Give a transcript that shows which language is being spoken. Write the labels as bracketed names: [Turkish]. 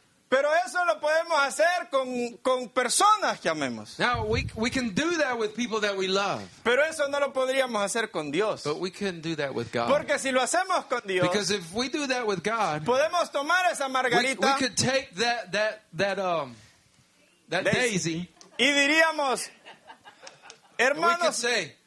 [Spanish] Pero eso lo podemos hacer con personas que amemos. [English] Now, we can do that with people that we love. [Spanish] Pero eso no lo podríamos hacer con Dios. [English] But we can do that with God. [Spanish] Porque si lo hacemos con Dios. [English] Because if we do that with God. [Spanish] Podemos tomar esa margarita. [English] We could take that daisy. [Spanish] Y diríamos, hermanos, [English] say,